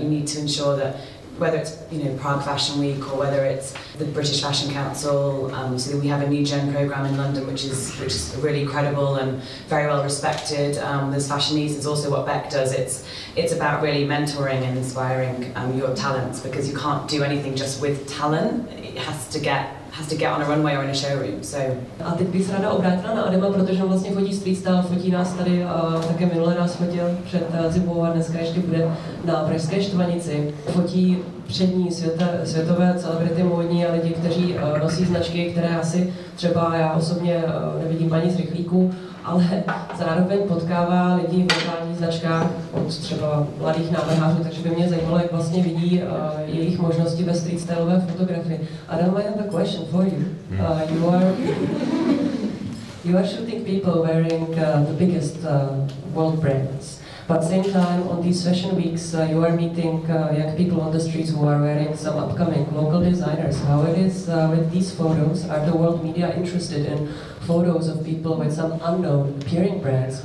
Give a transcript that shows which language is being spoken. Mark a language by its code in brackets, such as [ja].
[en] You need to ensure that whether it's, you know, Prague Fashion Week or whether it's the British Fashion Council, so we have a new gen programme in London which is really credible and very well respected. There's Fashionese, it's also what Beck does. It's about really mentoring and inspiring your talents, because you can't do anything just with talent. It has to get on a runway or in a showroom. So [cs] a teď bych se ráda obrátila na Adama, protože on vlastně fotí Streetstyle, fotí nás tady také minulý raz fotil před zimou a dneska ještě bude na Pražské Štvanici. Fotí přední světové celebrity módní a lidi, kteří nosí značky, které asi třeba já osobně nevidím ani z rychlíku, ale zároveň potkává lidi v lokálních značkách od třeba mladých návrhářů, takže by mě zajímalo, jak vlastně vidí jejich možnosti ve street stylové fotografii. [en] Adam, I have a question for you. You are shooting people wearing the biggest world brands, but same time on these fashion weeks you are meeting young people on the streets who are wearing some upcoming local designers. How it is with these photos? Are the world media interested in photos of people with some unknown appearing brands?